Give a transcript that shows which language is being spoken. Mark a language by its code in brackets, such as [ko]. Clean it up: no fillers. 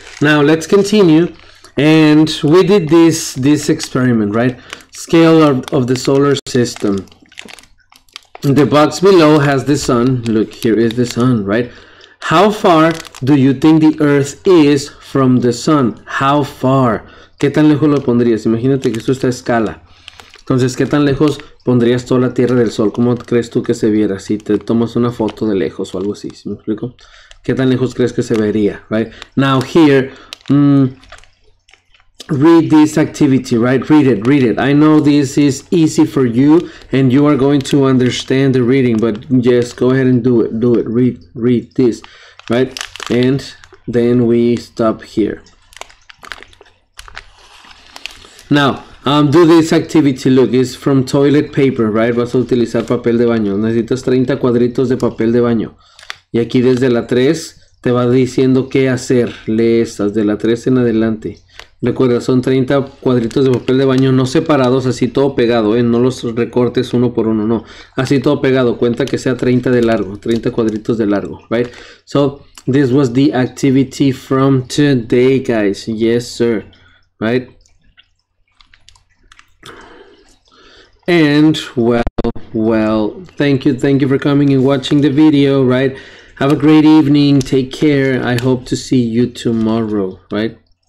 [en] Now let's continue. And we did this experiment, right? Scale of the solar system. The box below has the sun. Look, here is the sun, right? How far do you think the Earth is from the sun? How far? [es] ¿Qué tan lejos lo pondrías? Imagínate que esto está a escala. Entonces, ¿qué tan lejos pondrías toda la Tierra del Sol? ¿Cómo crees tú que se viera? Si te tomas una foto de lejos o algo así, ¿sí me explico? ¿Qué tan lejos crees que se vería? [en] Right? Now, here, read this activity, right? Read it. I know this is easy for you, and you are going to understand the reading, but yes, go ahead and do it. Read this, right? And then we stop here. Now, do this activity. Look, it's from toilet paper, right? [es] Vas a utilizar papel de baño. Necesitas 30 cuadritos de papel de baño. Y aquí desde la 3 te va diciendo qué hacer. Lee estas de la 3 en adelante. Recuerda, son 30 cuadritos de papel de baño no separados, así todo pegado, ¿eh? No los recortes uno por uno, no. Así todo pegado. Cuenta que sea 30 de largo, 30 cuadritos de largo, right? [en] So, this was the activity from today, guys. Yes, sir. Right? And well, thank you for coming and watching the video, right? Have a great evening. Take care. I hope to see you tomorrow, right?